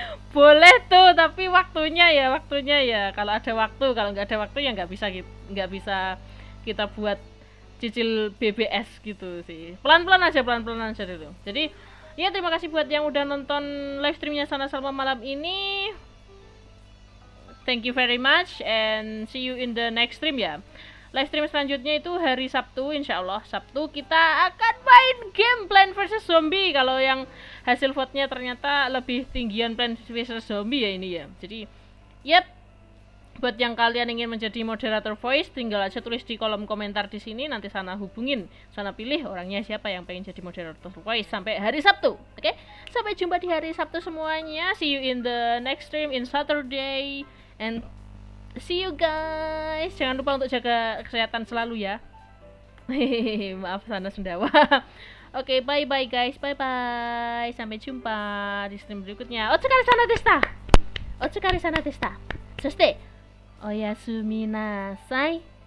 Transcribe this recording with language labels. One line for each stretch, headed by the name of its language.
Indonesian: Boleh tuh, tapi waktunya ya. Kalau ada waktu, kalau nggak ada waktu ya nggak bisa kita buat cicil BBS gitu sih. Pelan-pelan aja itu. Jadi ya terima kasih buat yang udah nonton live streamnya Sana Salma malam ini.
English: Thank you very much and see you in the next stream ya.
Indonesian: Live stream selanjutnya itu hari Sabtu, insyaallah Sabtu kita akan main game Plants vs Zombie. Kalau yang hasil vote-nya ternyata lebih tinggian Plants vs Zombie ya ini ya. Jadi, yep. Buat yang kalian ingin menjadi moderator voice, tinggal aja tulis di kolom komentar di sini, nanti sana hubungin, sana pilih orangnya siapa yang pengen jadi moderator voice sampai hari Sabtu. Oke? Sampai jumpa di hari Sabtu semuanya.
English: See you in the next stream in Saturday and see you guys.
Indonesian: Jangan lupa untuk jaga kesehatan selalu ya. Maaf sana Sundawa. Oke, bye-bye guys. Bye-bye. Sampai jumpa di stream berikutnya.
Japanese: Otsukaresama desu ta. Soshite oyasuminasai.